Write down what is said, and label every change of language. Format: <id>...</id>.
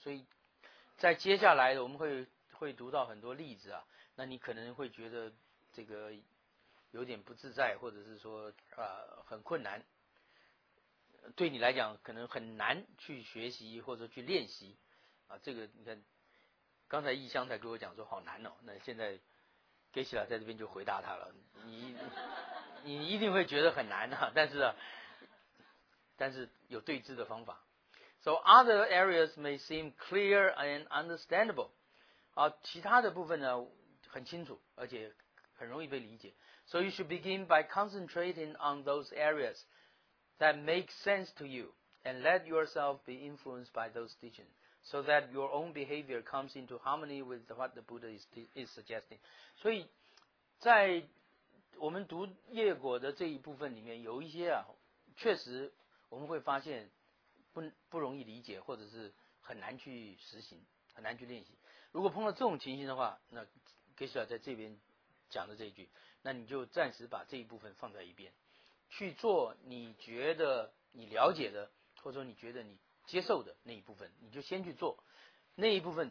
<zh>所以在接下来的我们会读到很多例子啊，那你可能会觉得这个有点不自在，或者是说很困难，对你来讲可能很难去学习或者去练习啊。这个你看，刚才义香才跟我讲说好难哦，那现在给起来在这边就回答他了，你一定会觉得很难啊，但是有对治的方法。</zh> <en>So other areas may seem clear and understandable.</en> <zh>啊，其他的部分呢很清楚，而且很容易被理解。</zh> <en>So you should begin by concentrating on those areas that make sense to you, and let yourself be influenced by those teachings, so that your own behavior comes into harmony with what the Buddha is suggesting.</en> <zh>所以在我们读业果的这一部分里面，有一些啊，确实我们会发现不容易理解，或者是很难去实行，很难去练习。如果碰到这种情形的话，那给舍在这边讲的这一句，那你就暂时把这一部分放在一边，去做你觉得你了解的，或者说你觉得你接受的那一部分，你就先去做那一部分。</zh>